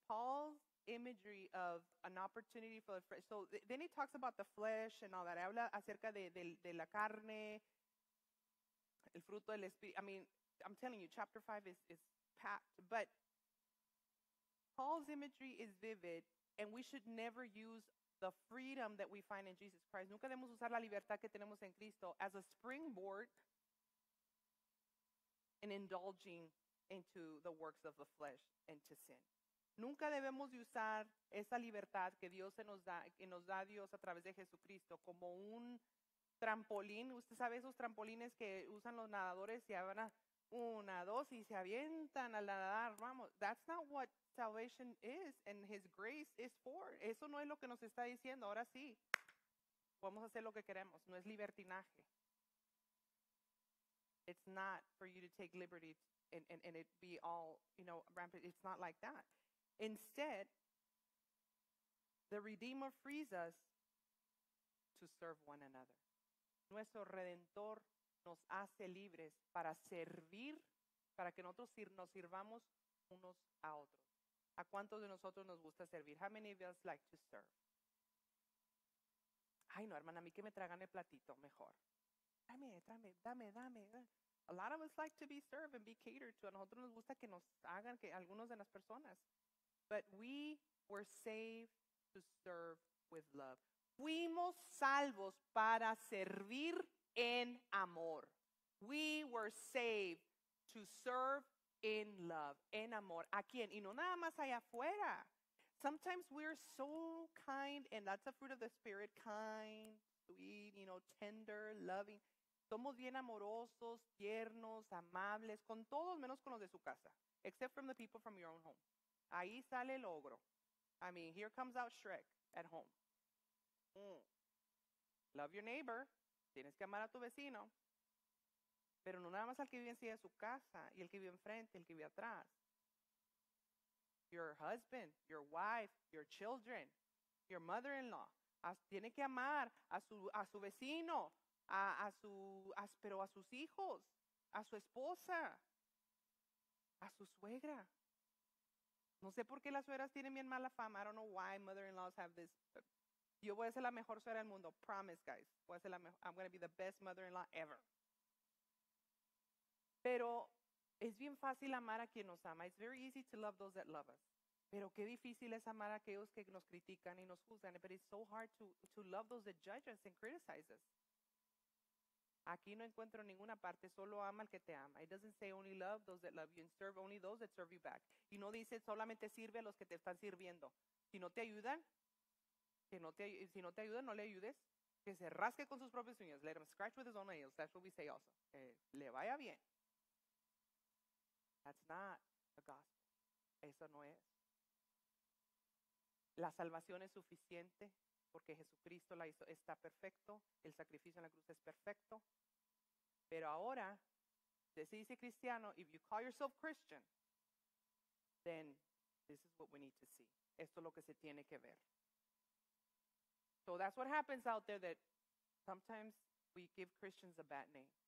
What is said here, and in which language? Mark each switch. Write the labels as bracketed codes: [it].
[en] Paul's imagery of an opportunity for the flesh. So then he talks about the flesh and all that. [es] Habla acerca de la carne, el fruto del espíritu. [en] I mean, I'm telling you, chapter 5 is packed. But Paul's imagery is vivid, and we should never use the freedom that we find in Jesus Christ. [es] Nunca debemos usar la libertad que tenemos en Cristo [en] as a springboard in indulging into the works of the flesh and to sin. [es] Nunca debemos usar esa libertad que Dios nos da Dios a través de Jesucristo como un trampolín. Usted sabe esos trampolines que usan los nadadores y van a una, dos y se avientan al nadar. [en] Vamos, that's not what salvation is and his grace is for. [es] Eso no es lo que nos está diciendo. Ahora sí, vamos a hacer lo que queremos. No es libertinaje. [en] It's not for you to take liberty and it be all, you know, rampant. It's not like that. Instead, the Redeemer frees us to serve one another. [es] Nuestro Redentor nos hace libres para servir, para que nosotros nos sirvamos unos a otros. ¿A cuántos de nosotros nos gusta servir? [en] How many of us like to serve? [es] Ay, no, hermana, a mí que me tragan el platito mejor. Dame. [en] A lot of us like to be served and be catered to. [es] A nosotros nos gusta que nos hagan, que algunos de las personas. [en] But we were saved to serve with love. [es] Fuimos salvos para servir en amor. [en] We were saved to serve in love, [es] en amor. ¿A quién? Y no nada más allá afuera. [en] Sometimes we're so kind, and that's a fruit of the Spirit, kind, sweet, you know, tender, loving. [es] Somos bien amorosos, tiernos, amables, con todos menos con los de su casa, [en] except from the people from your own home. [es] Ahí sale el ogro. [en] I mean, here comes out Shrek at home. Love your neighbor. [es] Tienes que amar a tu vecino. Pero no nada más al que vive encima de su casa y el que vive enfrente, el que vive atrás. [en] Your husband, your wife, your children, your mother-in-law. [es] Tiene que amar a su vecino, a sus hijos, a su esposa, a su suegra. No sé por qué las suegras tienen bien mala fama. [en] I don't know why mother-in-laws have this. [es] Yo voy a ser la mejor suegra del mundo. [en] Promise, guys. I'm going to be the best mother-in-law ever. [es] Pero es bien fácil amar a quien nos ama. [en] It's very easy to love those that love us. [es] Pero qué difícil es amar a aquellos que nos critican y nos juzgan. [en] But it's so hard to love those that judge us and criticize us. [es] Aquí no encuentro ninguna parte. Solo ama al que te ama. [en] It doesn't say only love those that love you and serve only those that serve you back. [es] Y no dice solamente sirve a los que te están sirviendo. Si no te ayudan, no le ayudes. Que se rasque con sus propios uñas. [en] Let him scratch with his own nails. That's what we say also. [es] Que le vaya bien. [en] That's not the gospel. [es] Eso no es. La salvación es suficiente porque Jesucristo la hizo, está perfecto. El sacrificio en la cruz es perfecto. Pero ahora, si dice cristiano, [en] if you call yourself Christian, then this is what we need to see. [es] Esto es lo que se tiene que ver. [en] So that's what happens out there, that sometimes we give Christians a bad name.